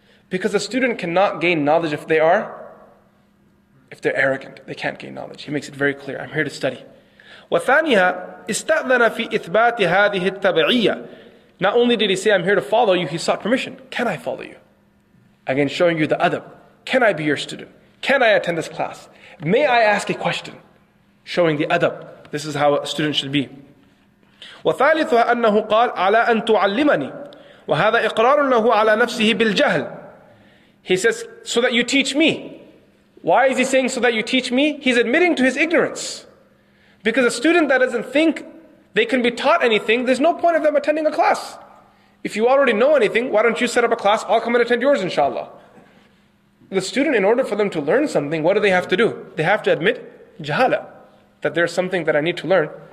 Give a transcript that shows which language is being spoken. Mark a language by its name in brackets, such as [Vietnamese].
[English] Because a student cannot gain knowledge if they're arrogant. They can't gain knowledge. He makes it very clear. I'm here to study. [Arabic] وثانيها استأذن في إثبات هذه التبعية. [English] Not only did he say I'm here to follow you, he sought permission. Can I follow you? Again, showing you the adab. Can I be your student? Can I attend this class? May I ask a question? Showing the adab. This is how a student should be. [Arabic] وثالثها أنه قال على أن تعلمني وهذا إقرار له على نفسه بالجهل. [English] He says, so that you teach me. Why is he saying so that you teach me? He's admitting to his ignorance. Because a student that doesn't think they can be taught anything, there's no point of them attending a class. If you already know anything, why don't you set up a class? I'll come and attend yours, inshallah. The student, in order for them to learn something, what do they have to do? They have to admit jahala, that there's something that I need to learn.